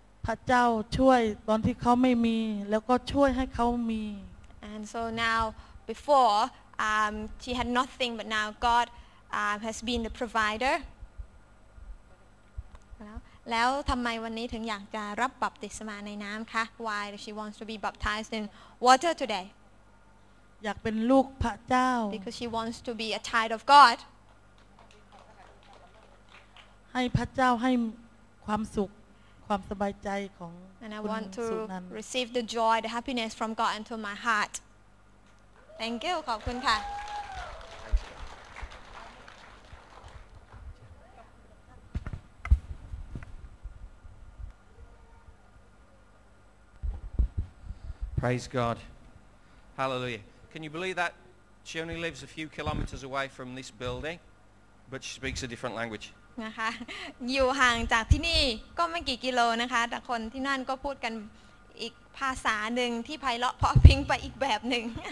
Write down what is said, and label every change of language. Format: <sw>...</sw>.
<th>พระเจ้าช่วยตอนที่เขาไม่มีแล้วก็ช่วยให้เขามี</th> <en>And so now before she had nothing but now God has been the provider.</en> <th>แล้วทำไมวันนี้ถึงอยากจะรับบัพติศมาในน้ำคะ</th> <en>Why she wants to be baptized in water today?</en> <th>อยากเป็นลูกพระเจ้า</th> <en>Because she wants to be a child of God.</en> <th>ให้พระเจ้าให้ความสุขความสบายใจของ</th> <en>And I want to receive the joy, the happiness from God into my heart. Thank you.</en> <th>ขอบคุณค่ะ</th> <en>Praise God. Hallelujah. Can you believe that? She only lives a few kilometers away from this building, but she speaks a different language.</en> <th>อยู่ห่างจากที่นี่ก็ไม่กี่กิโลนะคะแต่คนที่นั่นก็พูดกันอีกภาษาหนึ่งที่ไพเราะเพราะพิงไปอีกแบบหนึ่ง</th>